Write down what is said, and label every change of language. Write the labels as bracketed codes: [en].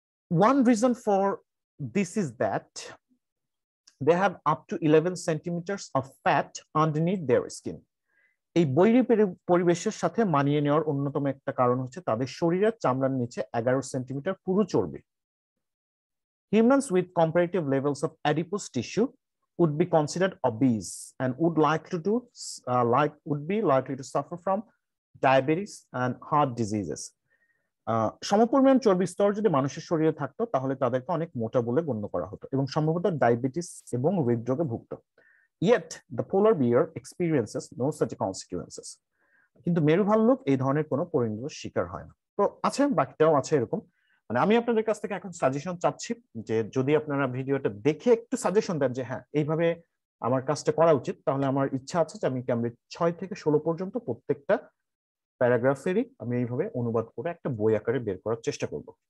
[en] one reason for this is that they have up to 11 centimetres of fat underneath their skin, [bn] এই বৈরী পরিবেশের সাথে মানিয়ে নেওয়ার অন্যতম একটা কারণ হচ্ছে তাদের শরীরের চামড়ার নিচে 11 সেন্টিমিটার পুরু চর্বি। [en] Humans with comparative levels of adipose tissue would be considered obese and would like to do like would be likely to suffer from diabetes and heart diseases. [bn] সমপরিমাণ চর্বি স্তর যদি মানুষের শরীরে থাকতো তাহলে তাদেরকে অনেক মোটা বলে গণ্য করা হতো এবং সম্ভবত ডায়াবেটিস এবং হৃদরোগে ভুগত. [en] Yet the polar bear experiences no such consequences. [bn] কিন্তু মেরু ভাল্লুক এই ধরনের কোনো পরিণতির শিকার হয় না. তো আছে বাকিটাও আছে এরকম. মানে আমি আপনাদের কাছ থেকে এখন সাজেশন চাচ্ছি যে যদি আপনারা ভিডিওটা দেখে একটু সাজেশন দেন যে হ্যাঁ এইভাবে আমার কাজটা করা উচিত, তাহলে আমার ইচ্ছা আছে যে আমি ক্যামব্রিজ 6 থেকে 16 পর্যন্ত প্রত্যেকটা প্যারাগ্রাফেরই আমি এইভাবে অনুবাদ করে একটা বই আকারে বের করার চেষ্টা করব।